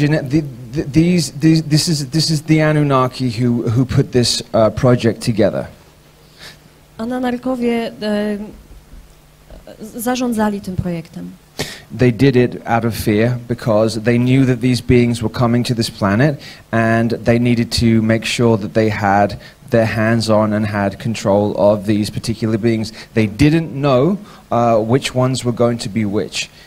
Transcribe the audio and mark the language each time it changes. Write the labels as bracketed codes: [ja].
[en] This is the Anunnaki who put this project together. [pl] Anunnakowie zarządzali tym projektem. [en] They did it out of fear because they knew that these beings were coming to this planet and they needed to make sure that they had their hands on and had control of these particular beings. They didn't know which ones were going to be which.